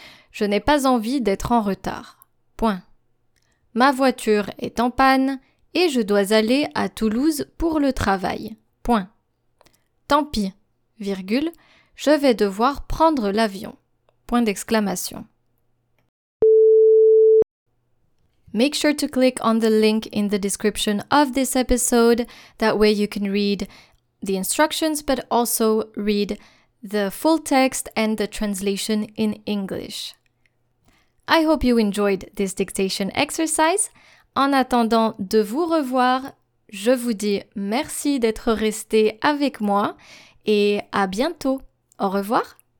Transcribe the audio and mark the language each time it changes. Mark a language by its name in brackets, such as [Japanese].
[French] Je n'ai pas envie d'être en retard. Point. Ma voiture est en panne et je dois aller à Toulouse pour le travail. Point. Tant pis, virgule, je vais devoir prendre l'avion. Point d'exclamation. [English] Make sure to click on the link in the description of this episode. That way you can read the instructions, but also read the full text and the translation in English. I hope you enjoyed this dictation exercise. [French] En attendant de vous revoir, je vous dis merci d'être resté avec moi et à bientôt. Au revoir.